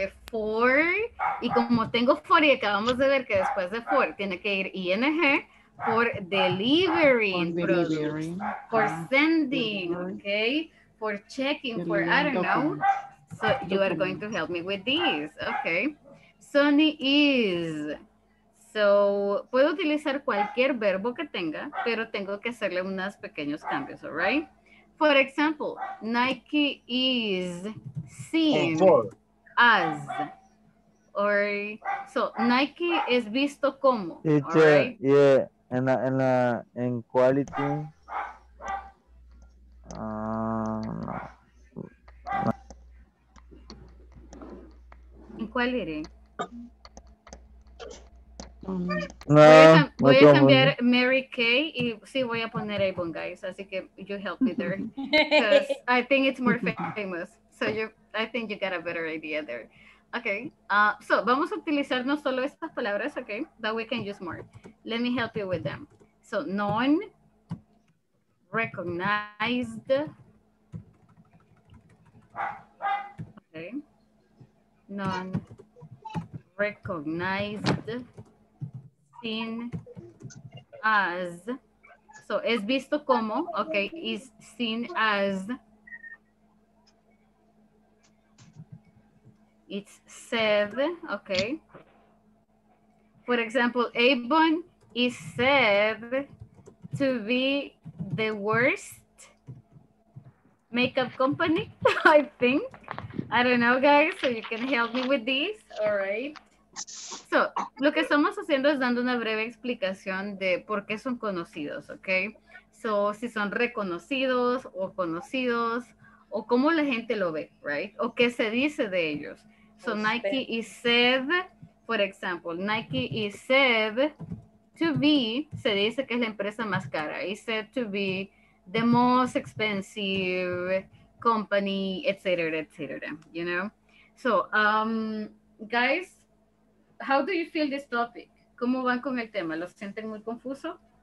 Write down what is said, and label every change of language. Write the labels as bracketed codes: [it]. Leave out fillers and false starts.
[es] For, y como tengo for y acabamos de ver que después de for tiene que ir ing. [en] For delivering, for sending, okay, for checking, for I don't know. So you are going to help me with these, okay? Sunny is. [es] So puedo utilizar cualquier verbo que tenga, pero tengo que hacerle unos pequeños cambios, [en] all right? For example, Nike is seen as. [es] Or so Nike es visto como. [en] It's all right? A, yeah. And in quality, in quality, [es] no, voy a cambiar Mary Kay y sí, voy a poner Avon, guys. Así que [en] you help me there because I think it's more famous. So, I think you got a better idea there. [es] Okay, so vamos a utilizar no solo estas palabras, okay, [en] but we can use more. Let me help you with them. So, known, recognized, okay, known, recognized, seen as, so [es] es visto como, [en] okay, is seen as. It's said, okay. For example, Avon is said to be the worst makeup company, I think. I don't know, guys, so you can help me with these, all right? [es] So, lo que estamos haciendo es dando una breve explicación de por qué son conocidos, okay? So, si son reconocidos o conocidos, o cómo la gente lo ve, right? O qué se dice de ellos. [en] So Nike is said, for example, Nike is said to be, [es] se dice que es la empresa más cara, [en] is said to be the most expensive company, etc., etc., you know? So, guys, how do you feel this topic? [es] ¿Cómo van con el tema? ¿Lo sienten muy confuso?